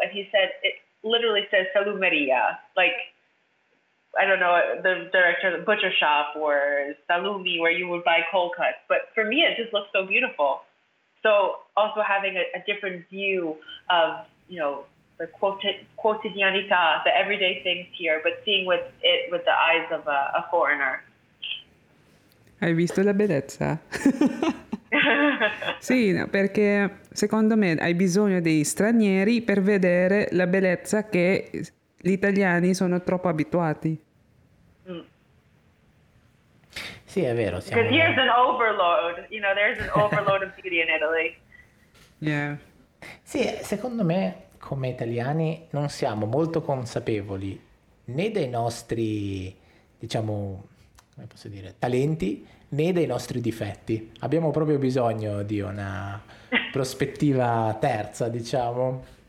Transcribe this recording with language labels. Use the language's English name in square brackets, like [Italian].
[English] And he said, it literally says Salù Maria. Like, I don't know, the director of the butcher shop or Salumi, where you would buy cold cuts. But for me, it just looks so beautiful. So also having a different view of, you know, the quotidianità, the everyday things here, but seeing with it with the eyes of a foreigner. [Italian] Hai visto la bellezza? Sì, no, perché secondo me hai bisogno dei stranieri per vedere la bellezza che gli italiani sono troppo abituati. Sì, è vero. [English] Because here's an overload, you know, there's an overload of beauty in Italy. Yeah. [Italian] Sì, secondo me, come italiani, non siamo molto consapevoli né dei nostri, diciamo, come posso dire, talenti, né dei nostri difetti. Abbiamo proprio bisogno di una prospettiva terza, diciamo.